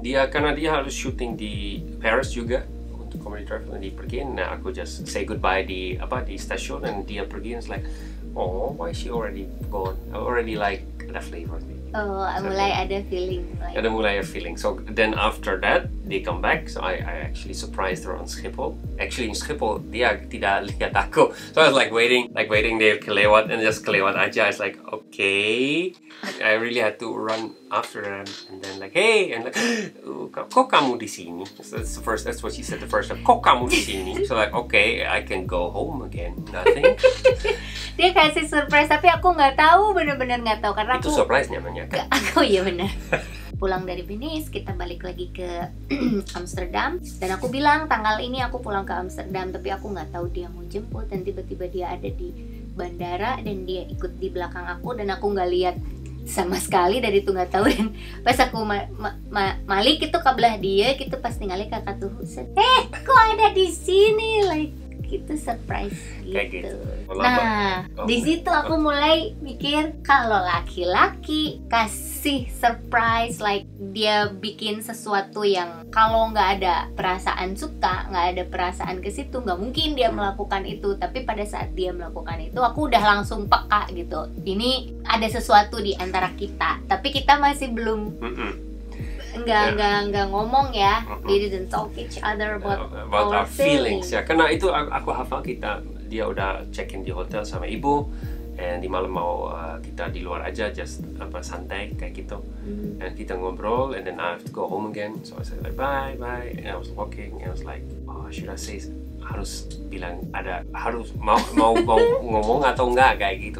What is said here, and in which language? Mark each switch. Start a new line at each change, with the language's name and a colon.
Indonesian: Dia karena dia harus shooting di Paris juga untuk Comedy Travel, dan dia pergi. Nah, aku
English: just say goodbye
Indonesian: di stasiun, dan dia pergi.
English: And it's like, oh, why she already gone? I already like the flavor.
Indonesian: Oh, mulai ada feeling.
English: So then after that they come back. So I actually surprised her on Schiphol.
Indonesian: Actually in Schiphol dia tidak lihat aku.
English: So I was like waiting dia kelewat, and just kelewat aja. It's like, okay. I really had to run after them, and then like, hey, and like,
Indonesian: kok kamu di sini?
English: So that's what she said the first time.
Indonesian: Kok kamu di sini?
English: So like, okay, I can go home again. Nothing.
Indonesian: Dia kasih surprise, tapi aku nggak tahu, benar-benar nggak tahu, karena itu surprise namanya kan. Aku ya benar. Pulang dari Venice, kita balik lagi ke Amsterdam, dan aku bilang tanggal ini aku pulang ke Amsterdam, tapi aku nggak tahu dia mau jemput, dan tiba-tiba dia ada di bandara dan dia ikut di belakang aku, dan aku nggak lihat sama sekali dari itu, nggak tahu. Dan pas aku malik itu kebelah dia gitu, pas tinggalnya kakak tuh said, eh kok ada di sini, like itu surprise gitu, kayak gitu. Di situ aku mulai mikir kalau laki-laki kasih surprise, like dia bikin sesuatu yang kalau nggak ada perasaan suka, nggak ada perasaan ke situ, nggak mungkin dia melakukan itu. Tapi pada saat dia melakukan itu, aku udah langsung peka gitu, ini ada sesuatu di antara kita, tapi kita masih belum, nggak ngomong ya.
English: We didn't talk each other about our feelings.
Indonesian: Ya, karena itu aku hafal, kita dia udah check-in di hotel sama ibu, and di malam mau kita di luar aja, just apa santai kayak gitu, and kita ngobrol,
English: and then I have to go home again, so I said like bye, and I was walking, and I was like, oh, should I say,
Indonesian: harus bilang ada, harus mau ngomong atau enggak kayak gitu.